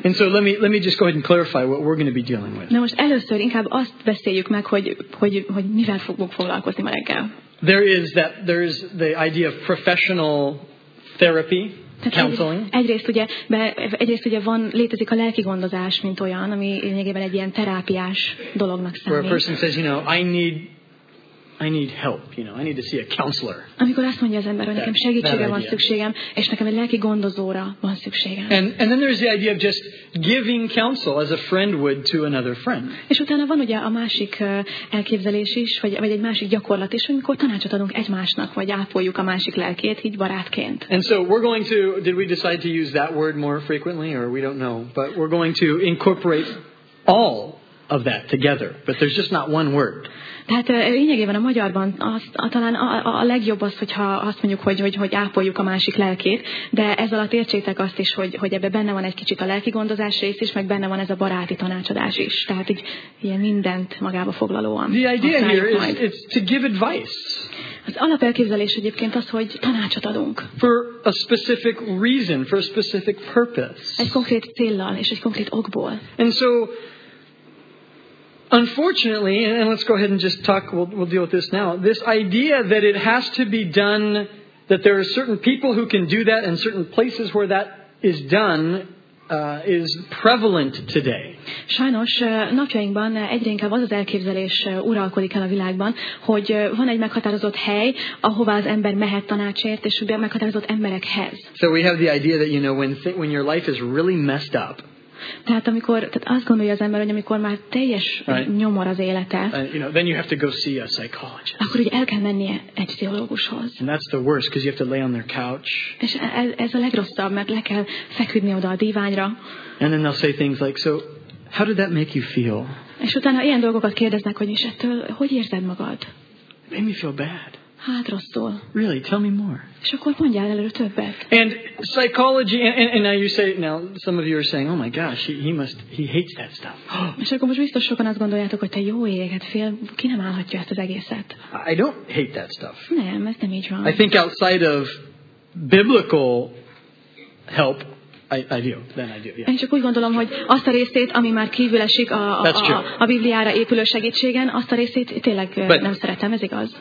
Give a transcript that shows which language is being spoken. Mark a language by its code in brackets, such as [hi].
[en] And so let me just go ahead and clarify what we're going to be dealing with. [hu] Na most először inkább azt beszéljük meg, hogy mivel fogunk foglalkozni ma reggel. [en] There is the idea of professional therapy. [hu] Egyrészt ugye, van létezik a lelki gondozás, mint olyan, ami lényegében egy ilyen terápiás dolognak számít. [en] Where a person says, you know, I need help, you know. I need to see a counselor. [hu] Amikor azt mondja az ember, hogy nekem segítségre van szükségem, és nekem egy lelki gondozóra van szükségem. [en] And then there's the idea of just giving counsel as a friend would to another friend. [hu] És utána van ugye a másik elképzelés is, vagy egy másik gyakorlat is, amikor tanácsot adunk egymásnak, vagy ápoljuk a másik lelkét, így barátként. [en] And so we're going to, did we decide to use that word more frequently, or we don't know, but we're going to incorporate all of that together, but there's just not one word. [hu] Tehát lényegében a magyarban talán a legjobb az, hogyha azt mondjuk, hogy ápoljuk a másik lelkét, de ez alatt értsétek azt is, hogy ebbe benne van egy kicsit a lelki gondozás rész is, meg benne van ez a baráti tanácsadás is. Tehát így ilyen mindent magába foglalóan. [en] The idea here is to give advice. [hu] Az alapelképzelés egyébként az, hogy tanácsot adunk. [en] For a specific reason, for a specific purpose. [hu] Egy konkrét céllal és egy konkrét okból. [en] And so, unfortunately, and let's go ahead and just talk, we'll deal with this now, this idea that it has to be done, that there are certain people who can do that and certain places where that is done, is prevalent today. [hu] Sajnos napjainkban egyre inkább az elképzelés uralkodik el a világban, hogy van egy meghatározott hely, ahová az ember mehet tanácsért, és ugye meghatározott emberekhez. [en] So we have the idea that, you know, when your life is really messed up, [hu] tehát amikor, tehát azt gondolja az ember, hogy amikor már teljes nyomor az élete, [en] then you have to go see a psychologist. [hu] Akkor ugye el kell mennie egy pszichológushoz. [en] And that's the worst, because you have to lay on their couch. [hu] És ez a legrosszabb, mert le kell feküdni oda a díványra. [en] And then they'll say things like, so how did that make you feel? [hu] És utána ilyen dolgokat kérdeznek, hogy is ettől hogy érzed magad? [en] It made me feel bad. [hu] Hát rosszul. [en] Really, tell me more. [hu] És akkor mondjál előre többet. [en] And psychology, and now you say, now some of you are saying, oh my gosh, he hates that stuff. [hu] És akkor most biztos sokan azt gondoljátok, hogy te jó ég, hát fél, ki nem állhatja ezt az egészet. [en] I don't hate that stuff. [hu] Nem, ez nem így van. [en] I think outside of biblical help, I do, then I do, yeah. [hu] Én csak úgy gondolom, hogy azt a részét, ami már kívül esik a Bibliára épülő segítségen, azt a részét tényleg nem szeretem, ez igaz.